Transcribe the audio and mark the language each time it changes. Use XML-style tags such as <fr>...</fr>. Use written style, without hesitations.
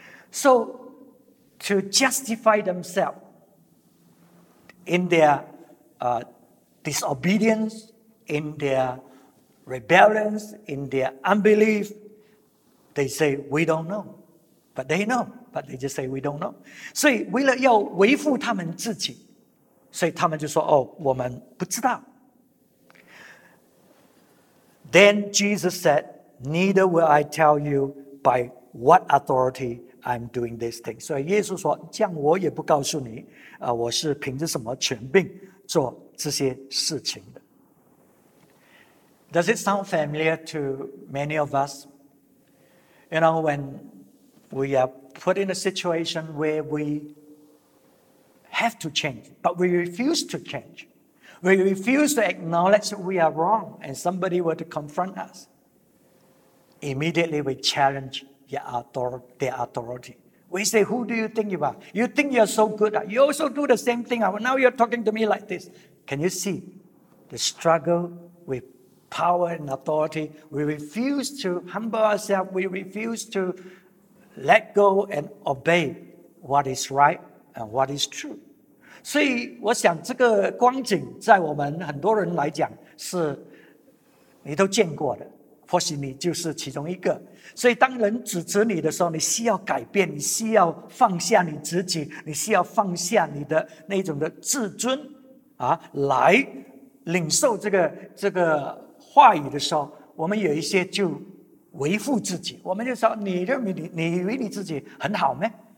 <en>So to justify themselves in their disobedience, in their rebellion, in their unbelief, they say, we don't know. But they know, but they just say, we don't know.</en> <zh>所以为了要维护他们自己，所以他们就说，哦，我们不知道。</zh> <en>Then Jesus said, neither will I tell you by what authority I'm doing this thing.</en> <zh>所以耶稣说，这样我也不告诉你，我是凭着什么权柄做这些事情的。</zh> <en>Does it sound familiar to many of us? You know, when we are put in a situation where we have to change, but we refuse to change. We refuse to acknowledge that we are wrong and somebody were to confront us. Immediately we challenge their authority. We say, who do you think you are? You think you are so good? You also do the same thing. Now you're talking to me like this. Can you see the struggle with power and authority? We refuse to humble ourselves. We refuse to let go and obey what is right and what is true.</en> <zh>所以我想这个光景在我们很多人来讲是你都见过的，或许你就是其中一个。所以当人指责你的时候，你需要改变，你需要放下你自己，你需要放下你的那种的自尊啊，来领受这个话语的时候，我们有一些就维护自己，我们就说，你认为你以为你自己很好吗？</zh>